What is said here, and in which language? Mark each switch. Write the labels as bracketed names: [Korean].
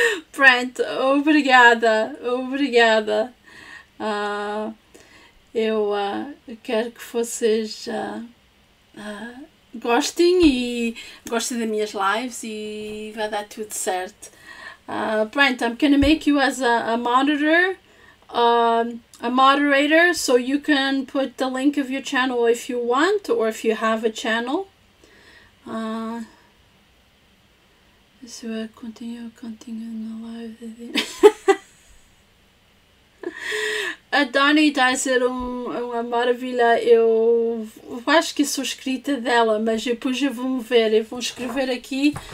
[Portuguese] Pronto, obrigada, obrigada. Eu quero que vocês gostem das minhas lives e vai dar tudo certo. Pronto, [English] I'm gonna make you as a moderator, so you can put the link of your channel if you want or if you have a channel. So I continue in a live. [Portuguese] A Dani está a ser uma maravilha. Eu acho que sou escrita dela, mas depois eu vou me ver. Eu vou escrever aqui.